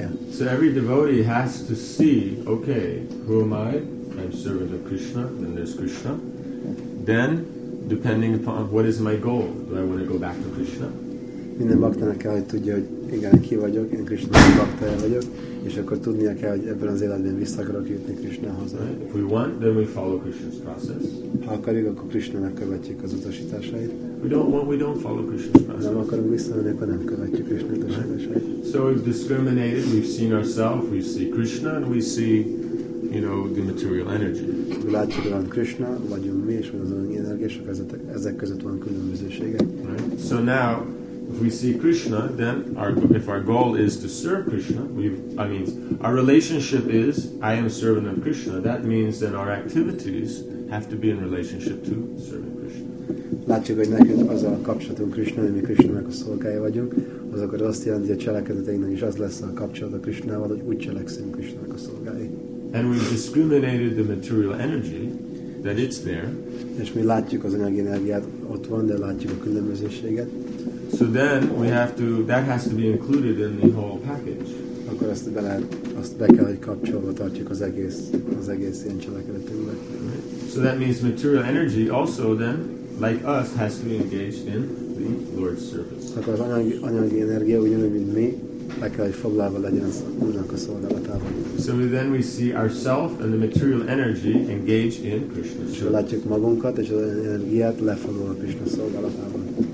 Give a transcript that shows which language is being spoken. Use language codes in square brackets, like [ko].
[en] So every devotee has to see, okay, who am I? I'm servant of Krishna, then there's Krishna. Then, depending upon what is my goal, do I want to go back to Krishna? [hu] Minden baktának kell, hogy tudja, hogy igen, ki vagyok, én Krishna baktája vagyok, és akkor tudnia kell, hogy ebben az életben vissza akarok jutni Krishnahoz. [en] Right? If we want, then we follow Krishna's process. [hu] Ha akarjuk, akkor Krishnának követjük az utasításait. [en] We don't want, we don't follow Krishna's process. [hu] Nem akarunk visszamenni, akkor nem követjük Krishna utasításait. [en] So we've discriminated, we've seen ourselves, we see Krishna, and we see, you know, the material energy. [hu] Látjuk, hogy Krishna, vagyunk mi, és az anyagi energia, és ezek között van különbözősége. [en] Right? So now, if we see Krishna, then if our goal is to serve Krishna, our relationship is I am servant of Krishna. That means that our activities have to be in relationship to serving Krishna. [hu] Látjuk, hogy nekünk az a kapcsolatunk Krishna, hogy mi Krishnának a szolgája vagyunk, az akkor azt jelenti, hogy a cselekedeteinknek is az lesz a kapcsolat a Krishnával, hogy úgy cselekszünk Krishnának a szolgái. [en] And we've discriminated the material energy that it's there. [hu] És mi látjuk az anyagi energiát ott van, de látjuk a különbözőséget. [en] So then we have to, that has to be included in the whole package. [hu] Akkor ezt be lehet, azt be kell, hogy kapcsolva tartjuk az egész ilyen cselekedetünkbe. [en] So that means material energy also then, like us, has to be engaged in the Lord's service. [hu] Akkor az anyagi energia ugyanúgy, mint mi, be kell, hogy foglalva legyen az Úrnak a szolgálatában. [en] So then we see ourselves and the material energy engaged in Krishna's service. [hu] Látjuk magunkat és az energiát lefoglalva a Krishna szolgálatában.